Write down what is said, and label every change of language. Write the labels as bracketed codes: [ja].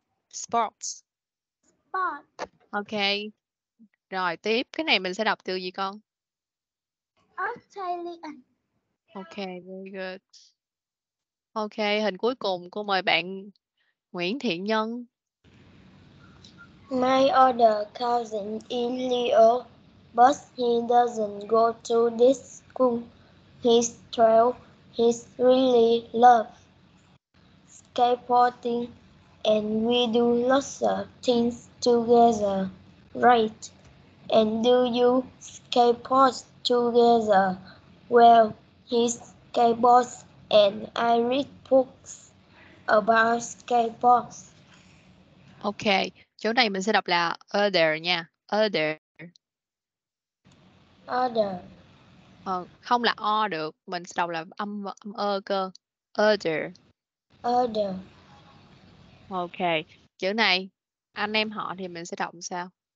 [en] Sports. Sport. [vi] Ok. Rồi, tiếp. Cái này mình sẽ đọc từ gì con? [en] Australian. Ok, very good. [vi] Ok, hình cuối cùng. Cô mời bạn Nguyễn Thiện Nhân. [en] My other cousin is Leo, but he doesn't go to this school. He's 12. He's really love skateboarding and we do lots of things together, right? And do you skateboard together? Well, he skateboards and I read books about skateboards. [vi] Okay, chỗ này mình sẽ đọc là other nha, other. [en] Other. [vi] Không là o được, mình sẽ đọc là âm âm ơ cơ. [en] Other. Other. [vi] Ok, chữ này anh em họ thì mình sẽ đọc sao?